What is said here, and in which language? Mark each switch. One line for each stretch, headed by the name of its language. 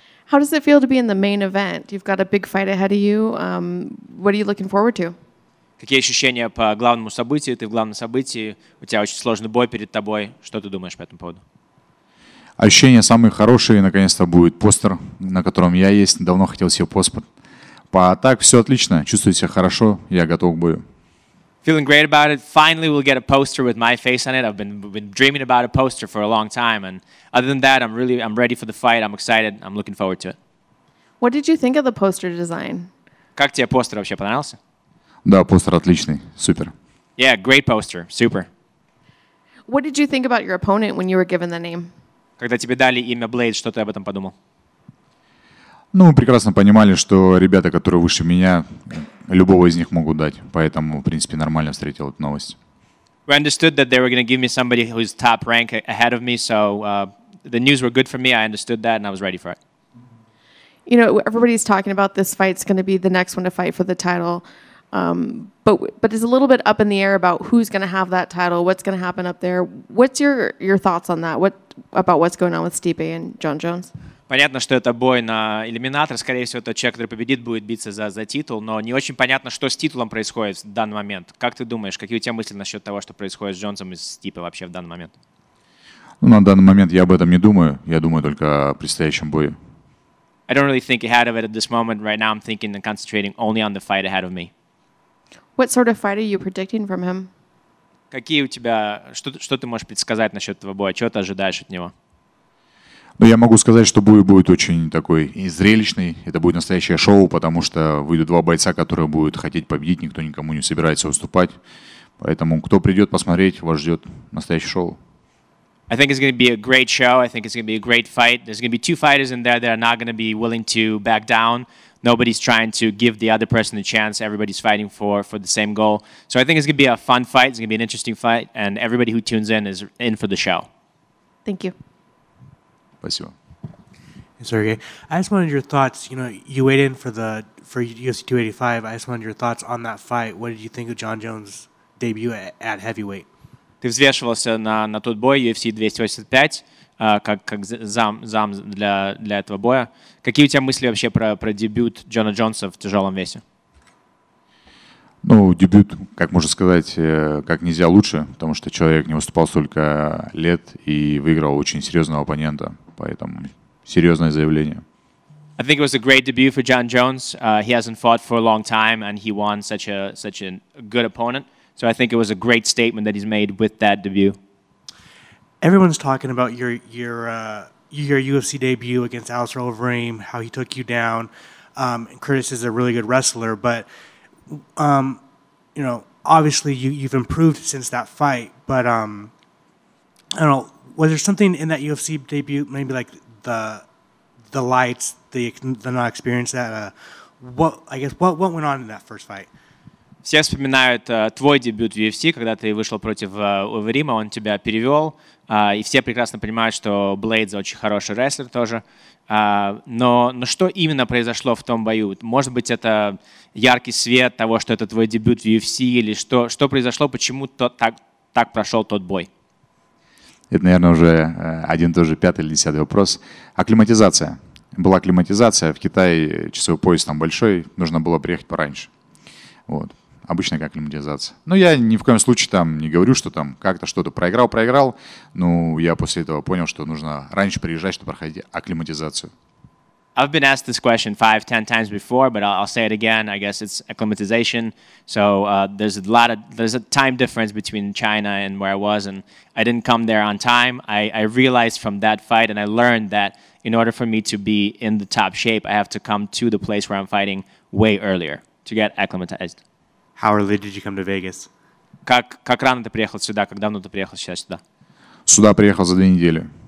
English: How does it feel to be in the main event? You've got a big fight ahead of you. What are you looking forward to?
Russian: Какие ощущения по главному событию? Ты в главном событии. У тебя очень сложный бой перед тобой. Что ты думаешь по этому поводу? Ощущения самые хорошие, наконец-то будет постер, на котором я есть. Давно хотел себе постер. А так все отлично, чувствую себя хорошо, я готов к бою.
English: Feeling great about it. Finally, we'll get a poster with my face on it. I've been dreaming about a poster for a long time. And other than that, I'm ready for the fight. I'm excited. I'm looking forward to it. What did you think of the poster design?
Russian: Как тебе постер вообще понравился? Да, постер отличный, супер.
English: Yeah, great poster, super. What did you think about your opponent when you were given the name?
Russian: Когда тебе дали имя Блейд, что ты об этом подумал? Ну, мы прекрасно понимали, что ребята, которые выше меня, любого из них могут дать. Поэтому, в принципе, нормально встретил эту новость.
English: We understood that they were going to give me somebody who's top rank ahead of me, so the news were good for me, I understood that, and I was ready for it. You know, everybody's talking about this fight's going to be the next one to fight for the title. But it's a little bit up in the air about who's going to have that title, what's going to happen up there. What's your thoughts on that? About what's going on with Stipe and John Jones?
Russian: Понятно, что это бой на элиминатор. Скорее всего, тот человек, который победит, будет биться за титул. Но не очень понятно, что с титулом происходит в данный момент. Как ты думаешь, какие у тебя мысли насчет того, что происходит с Джонсом и Стипе вообще в данный момент? Ну, на данный момент я об этом не думаю. Я думаю только о предстоящем бою.
English: I don't really think ahead of it at this moment. Right now I'm thinking and concentrating only on the fight ahead of me. What sort of fight are you predicting from him?
Russian: Какие у тебя, что ты можешь предсказать насчет этого боя? Чего ты ожидаешь от него? Ну, я могу сказать, что бой будет очень такой и зрелищный. Это будет настоящее шоу, потому что выйдут два бойца, которые будут хотеть победить. Никто никому не собирается уступать. Поэтому кто придет посмотреть, вас ждет настоящее шоу.
English: I think it's going to be a great show. I think it's going to be a great fight. There's going to be two fighters in there that are not going to be willing to back down. Nobody's trying to give the other person a chance. Everybody's fighting for the same goal. So I think it's going to be a fun fight. It's going to be an interesting fight. And everybody who tunes in is in for the show. Thank you.
Russian: Спасибо.
English: Hey, Sergei. I just wanted your thoughts. You know, you weighed in for UFC 285. I just wanted your thoughts on that fight. What did you think of John Jones' debut at heavyweight?
Russian: Ты взвешивался на тот бой, UFC 285, как зам для этого боя. Какие у тебя мысли вообще про дебют Джона Джонса в тяжелом весе? Ну, дебют, как можно сказать, как нельзя лучше, потому что человек не выступал столько лет и выиграл очень серьезного оппонента. Поэтому серьезное заявление.
English: I think it was a great debut for John Jones. He hasn't fought for a long time, and he won such a good opponent. So I think it was a great statement that he's made with that debut. Everyone's talking about your UFC debut against Alistair Overeem, how he took you down. And Curtis is a really good wrestler, but you know, obviously you've improved since that fight. But I don't know, was there something in that UFC debut, maybe like the lights, the not experience that? What went on in that first fight?
Russian: Все вспоминают твой дебют в UFC, когда ты вышел против Оверима, он тебя перевел, и все прекрасно понимают, что Блейдс очень хороший рестлер тоже. Но что именно произошло в том бою? Может быть, это яркий свет того, что это твой дебют в UFC, или что произошло, почему так прошел тот бой? Это, наверное, уже один тоже пятый или десятый вопрос. Акклиматизация. Была акклиматизация. В Китае часовой пояс там большой, нужно было приехать пораньше. Вот. Обычно как лимитизация. Но я ни в коем случае там не говорю, что там как-то что-то проиграл. Но я после этого понял, что нужно раньше приезжать, чтобы проходить акклиматизацию.
English: I've been asked this question 5-10 times before, but I'll say it again. I guess it's acclimatization. So there's a time difference between China and where I was, and I didn't come there on time. I realized from that fight, and I learned that in order for me to be in the top shape, I have to come to the place where I'm fighting way earlier to get acclimatized. How early did you come to Vegas?
Russian: Как рано ты приехал сюда? Как давно ты приехал сейчас сюда? Сюда приехал за две недели.